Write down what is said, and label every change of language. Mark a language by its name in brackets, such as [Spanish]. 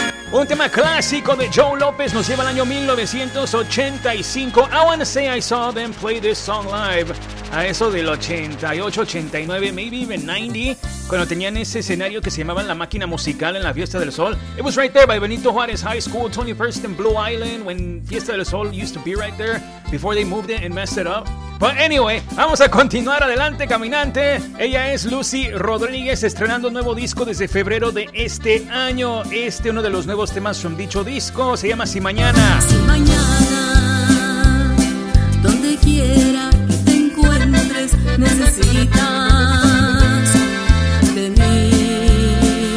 [Spanish] Un tema clásico de Joe López nos lleva al año 1985. [English] I Wanna Say I Saw Them Play This Song Live. [Spanish] A eso del 88, 89, [English] maybe even [Spanish] 90, cuando tenían ese escenario que se llamaba La Máquina Musical en la Fiesta del Sol. [English] It was right there by Benito Juárez High School, 21st and Blue Island, when Fiesta del Sol used to be right there before they moved it and messed it up. But anyway, [Spanish] vamos a continuar adelante, caminante. Ella es Lucy Rodríguez, estrenando un nuevo disco desde febrero de este año. Este, uno de los nuevos temas son dicho disco, se llama Si Mañana. Si mañana, donde quiera que te encuentres, necesitas de mí.